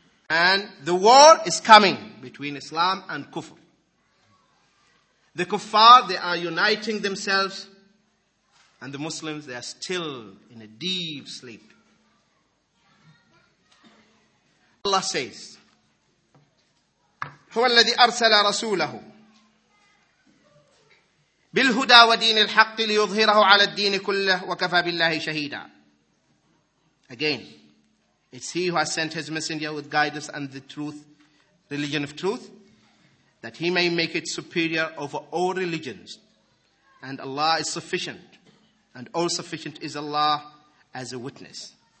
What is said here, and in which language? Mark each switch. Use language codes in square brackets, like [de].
[en] And the war is coming between Islam and Kufr. The Kuffar, they are uniting themselves. And the Muslims, they are still in a deep sleep. Allah says, [ar] هو الذي أرسل رسوله بالهدى ودين الحق ليظهره على الدين كله وكفى بالله شهيدا. [en] Again, it's he who has sent his messenger with guidance and the truth, religion of truth, that he may make it superior over all religions. And Allah is sufficient, and all sufficient is Allah as a witness.